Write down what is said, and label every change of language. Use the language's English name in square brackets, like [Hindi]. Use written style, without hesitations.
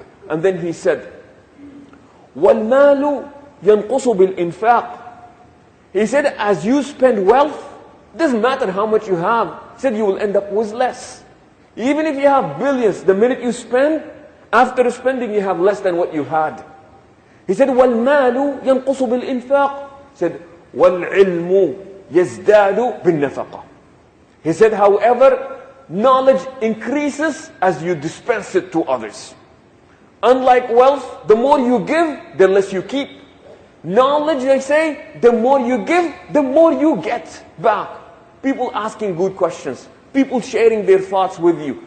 [English] And then he said, [Arabic] وَالْمَالُ يَنْقُصُ بِالْإِنْفَاقِ. [English] He said, as you spend wealth, doesn't matter how much you have, he said, you will end up with less. Even if you have billions, the minute you spend, after spending, you have less than what you had. He said, [Arabic] وَالْمَالُ يَنْقُصُ بِالْإِنْفَاقِ. He said, وَالْعِلْمُ يَزْدَادُ بِالنَّفَقَ. [English] He said, however, knowledge increases as you dispense it to others. Unlike wealth, the more you give, the less you keep. Knowledge, they say, the more you give, the more you get back. People asking good questions. People sharing their thoughts with you.